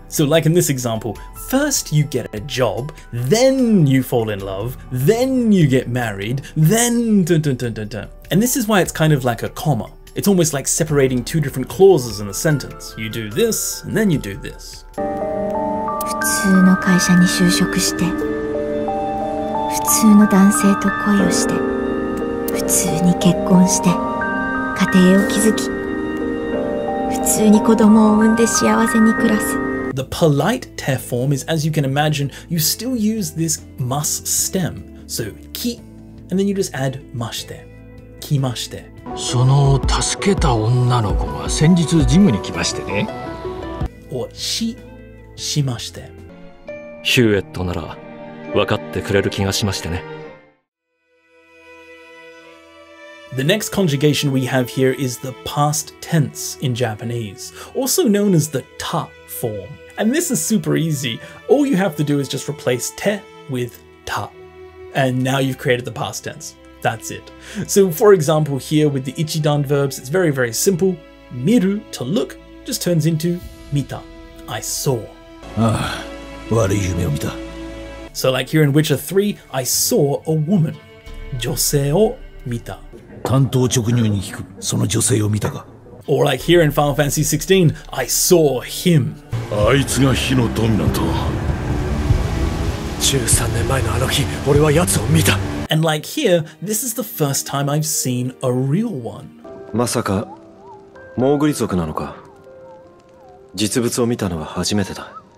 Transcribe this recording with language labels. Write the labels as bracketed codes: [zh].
[en] So like in this example, first you get a job, then you fall in love, then you get married, then dun dun dun dun dun. And this is why it's kind of like a comma. It's almost like separating two different clauses in the sentence. You do this, and then you do this. [ja] 普通の会社に就職して、普通の男性と恋をして、普通に結婚して家庭を築き普通に子供を産んで幸せに暮らす。 [en] The polite te form is, as you can imagine, you still use this masu stem. So, ki, and then you just add mashite. Kimashite. [ja] その助けた女の子は先日ジムに来ましてね。 Or, し、しまして。ヒューエットなら分かってくれる気がしましてね。 [en] The next conjugation we have here is the past tense in Japanese, also known as the ta form. And this is super easy. All you have to do is just replace te with ta. And now you've created the past tense. That's it. So for example here with the ichidan verbs, it's very, very simple. Miru, to look, just turns into mita. I saw. [ja] Ah, wari yume o mita. [en] So like here in Witcher 3, I saw a woman. [ja] Josei o mita. 単刀直入に聞く、その女性を見たか? [en] Or like here in Final Fantasy 16, I saw him. [ja] あいつが火の富なんと。 13年前のあの日、俺は奴を見た。 [en] And like here, this is the first time I've seen a real one. [ja] まさか、モーグリ族なのか。実物を見たのは初めてだ。